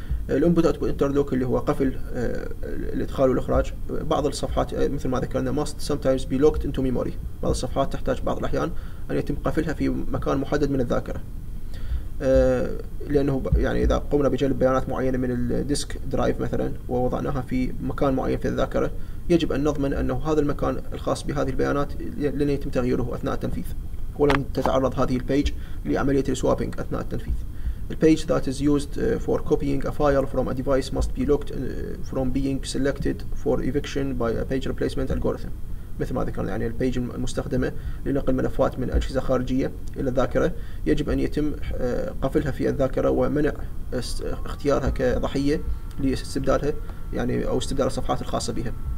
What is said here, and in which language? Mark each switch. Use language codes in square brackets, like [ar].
[ar] الانبوت اوتبوت انترلوك اللي هو قفل الإدخال والإخراج، بعض الصفحات مثل ما ذكرنا [en] must sometimes be locked into memory، [ar] بعض الصفحات تحتاج بعض الأحيان أن يتم قفلها في مكان محدد من الذاكرة، لأنه يعني إذا قمنا بجلب بيانات معينة من الديسك درايف مثلا ووضعناها في مكان معين في الذاكرة يجب أن نضمن أنه هذا المكان الخاص بهذه البيانات لن يتم تغييره أثناء التنفيذ، ولن تتعرض هذه البيج لعملية السوابينج أثناء التنفيذ. [en] The page that is used for copying a file from a device must be locked from being selected for eviction by a page replacement algorithm. [ar] مثل ما ذكرنا يعني البيج المستخدمة لنقل ملفات من أجهزة خارجية إلى الذاكرة يجب أن يتم قفلها في الذاكرة ومنع اختيارها كضحية لاستبدالها يعني أو استبدال الصفحات الخاصة بها.